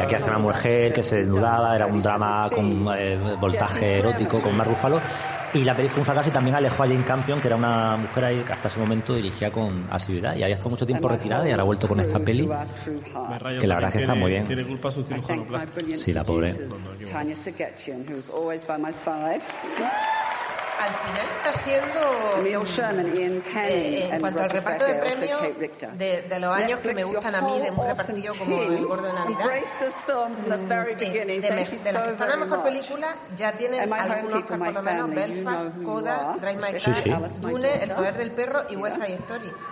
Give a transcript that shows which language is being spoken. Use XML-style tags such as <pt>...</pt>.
<es>Y aquí hace una mujer que se desnudaba, era un drama con voltaje erótico con Mark Ruffalo. Y la película fue un fracaso y también alejó a Jane Campion, que era una mujer ahí que hasta ese momento dirigía con asiduidad y había estado mucho tiempo retirada y ahora ha vuelto con esta peli, que la verdad es que está muy bien. Tiene culpa su cirujano plástico. Sí, la pobre.</es> <en>Tanya Sagetian, who is always by my side.</en> <es>Al final está siendo en cuanto al reparto de premios de los años que me gustan a mí, de un repartido como El Gordo de Navidad, de las que están a mejor película ya tienen algún Oscar, por lo menos Belfast, Coda, Drive My Car, Dune, El Poder del Perro y West Side Story.</es>